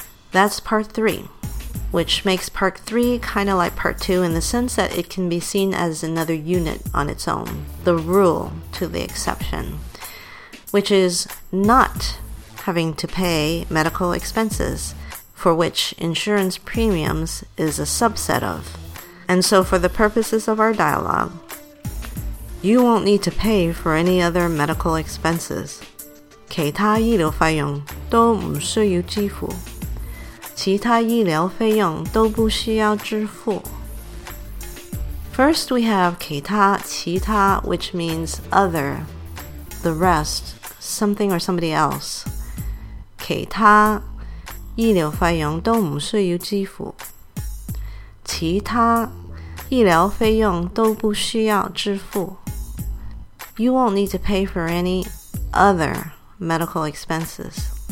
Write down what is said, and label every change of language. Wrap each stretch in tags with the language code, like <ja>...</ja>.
<en>That's part 3, which makes part 3 kind of like part 2 in the sense that it can be seen as another unit on its own, the rule to the exception, which is not having to pay medical expenses, for which insurance premiums is a subset of. And so for the purposes of our dialogue, you won't need to pay for any other medical expenses.</en> <zh>其他医疗费用都不需要支付, 其他医疗费用都不需要支付.</zh> <en>First we have 其他, 其他, which means other, the rest, something or somebody else.</en> <zh>其他医疗费用都不需要支付, 其他医疗费用都不需要支付.</zh> <en>You won't need to pay for any other medical expenses.</en>